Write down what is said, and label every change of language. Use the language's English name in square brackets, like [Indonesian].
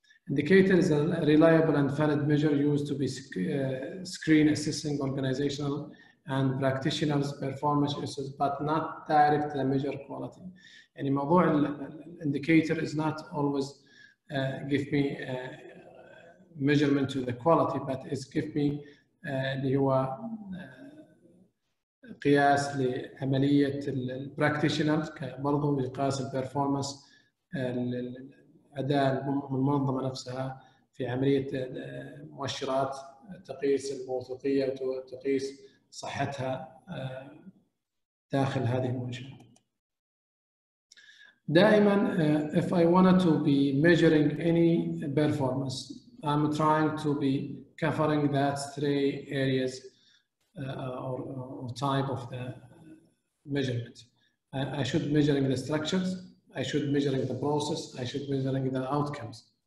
[English] Indicator is a reliable and valid measure used to be screen assessing organizational and practitioners' performance issues, but not direct to measure quality. [Arabic] يعني موضوع ال [English] indicator is not always give me [Arabic] measurement to the quality, but it's give me اللي هو قياس لعملية ال practitioner برضو بقياس ال performance الأداء المنظمة نفسها في عملية مؤشرات تقيس الموثوقية وتقيس صحتها داخل هذه المنشأة. [English] دائما if I wanted to be measuring any performance I'm trying to be covering that three areas or type of the measurement. I should be measuring the structures, I should be measuring the process, I should be measuring the outcomes.